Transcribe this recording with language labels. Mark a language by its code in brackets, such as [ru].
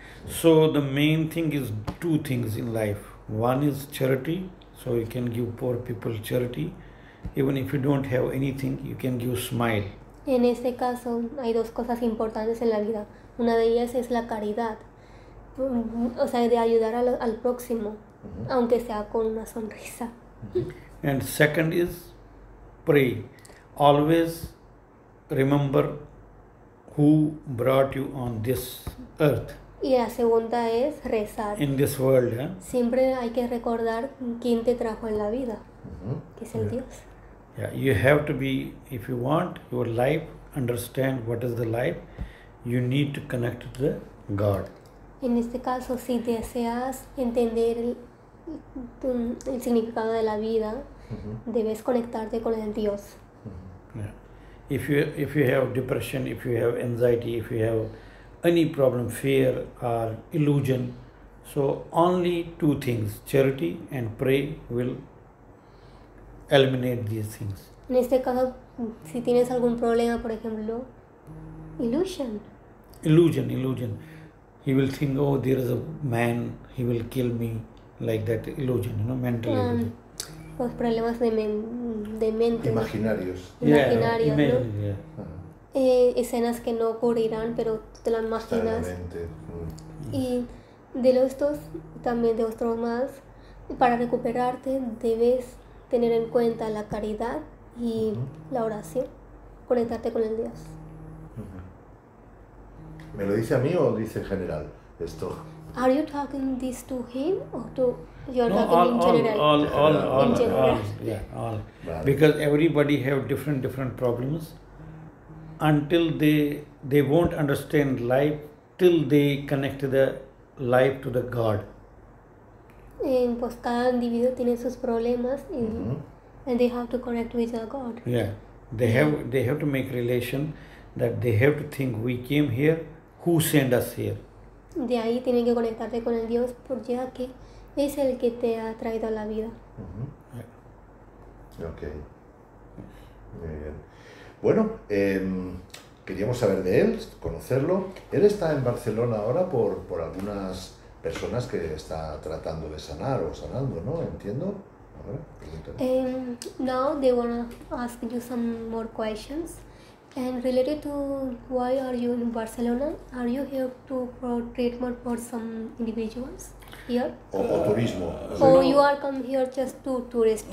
[en] So the main thing is two things in life. One is charity, so you can give poor people charity. Even if you don't have anything, you can give smile. [es] En este caso, hay dos cosas importantes en la vida. Una de ellas es la caridad. O sea, de ayudar al próximo, mm-hmm. aunque sea con una sonrisa. [en] And second is pray. Always remember who brought you on this earth. [es] Y la segunda es rezar. [en] In this world, yeah? [es] Siempre hay que recordar quién te trajo en la vida, mm-hmm. que es el Dios. [en] Yeah, you have to be, if you want your life, understand what is the life, you need to connect to the God. [es] En este caso, si deseas entender el significado de la vida, mm-hmm. debes conectarte con el Dios. Mm-hmm. Yeah. [en] If you have depression, if you have anxiety, if you have any problem, fear or illusion, so only two things, charity and pray, will eliminate these things. [es] En este caso, si tienes algún problema, por ejemplo, illusion. [en] Illusion. He will think, oh, there is a man, he will kill me, like that illusion, you know, mental illusion. [es] Pues problemas de mente. Imaginarios. Imaginarios, yeah, ¿no? Yeah. Escenas que no ocurrirán, pero te las imaginas. Mm. Y de los dos, también de otros más, para recuperarte debes tener en cuenta la caridad y mm-hmm. la oración, conectarte con el Dios. ¿Me lo dice a mí o dice en general esto? [en] Are you talking this to him or to you're no, talking all, in general? All. Because everybody have different problems. Until they won't understand life, till they connect the life to the God. [es] And pues cada individuo tiene sus problemas y, mm-hmm. [en] and they have to connect with the God. Yeah, they have to make relation that they have to think, we came here, who sent us here? [es] De ahí tienen que conectarte con el Dios porque ya que es el que te ha traído a la vida. Mm-hmm. Yeah. Okay. Muy bien. Bueno, queríamos saber de él, conocerlo. Él está en Barcelona ahora por algunas personas que está tratando de sanar o sanando, ¿no? Entiendo. Ahora, [en] now they want to ask you some more questions. And related to why are you in Barcelona? Are you here for treatment for some individuals here? [es] O turismo. [en] So no. You are come here just to tourist?